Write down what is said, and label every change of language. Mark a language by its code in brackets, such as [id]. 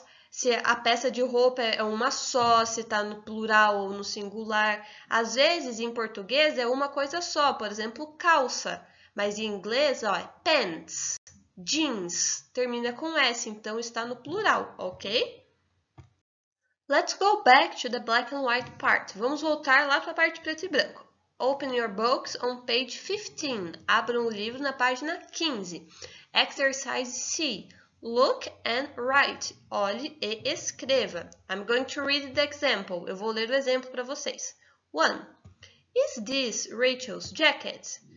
[pt] Se a peça de roupa é uma só, se está no plural ou no singular. Às vezes, em português, é uma coisa só, por exemplo, calça. Mas em inglês, ó, é pants, jeans, termina com S, então está no plural, ok? [en] Let's go back to the black and white part. [pt] Vamos voltar lá para a parte preto e branco. [en] Open your books on page 15. [pt] Abram o livro na página 15. [en] Exercise C. Look and write. [pt] Olhe e escreva. [en] I'm going to read the example. [pt] Eu vou ler o exemplo para vocês. 1. [en] Is this Rachel's jacket?